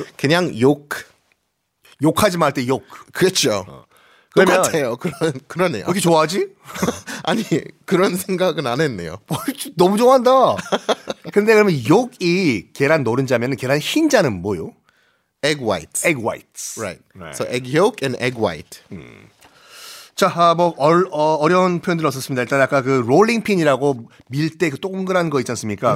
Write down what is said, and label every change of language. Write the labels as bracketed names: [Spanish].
[Korean] 그냥 욕. 욕하지 말 때 욕. 그렇죠. 똑같아요. 그러네요. 왜 이렇게 좋아하지? 아니, 그런 생각은 안 했네요. 너무 좋아한다. 근데 그러면 욕이 계란 노른자면 계란 흰자는 뭐요? [English] Egg whites. Egg whites. Right. right. So egg yolk and egg white. [Korean] 자, 뭐 어려운 표현들 없었습니다. 일단 아까 그 롤링핀이라고 밀대 그 동그란 거 있지 않습니까?